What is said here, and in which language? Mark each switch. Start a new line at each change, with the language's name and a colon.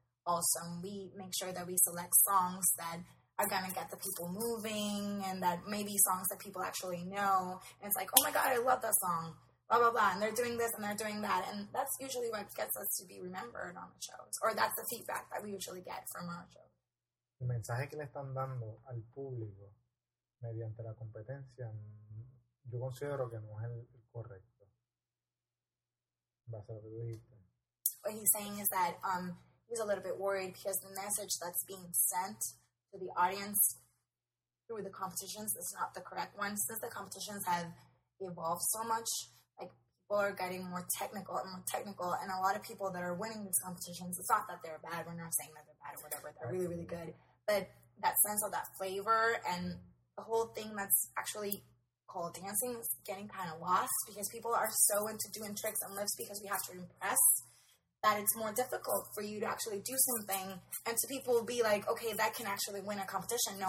English: Also, we make sure that we select songs that are gonna get the people moving and that maybe songs that people actually know, and it's like, oh my god, I love that song, blah blah blah, and they're doing this and they're doing that, and that's usually what gets us to be remembered on the shows, or that's the feedback that we usually get from our shows.
Spanish: El mensaje que le están dando al público mediante la competencia, yo considero que no es el correcto.
English: What he's saying is that he's a little bit worried because the message that's being sent to the audience through the competitions is not the correct one. Since the competitions have evolved so much, like, people are getting more technical and more technical, and a lot of people that are winning these competitions, it's not that they're bad, we're not saying that they're bad or whatever, they're really, really good, but that sense of that flavor and the whole thing that's actually called dancing is getting kind of lost because people are so into doing tricks and lifts because we have to impress, that it's more difficult for you to actually do something and to people be like, okay, that can actually win a competition.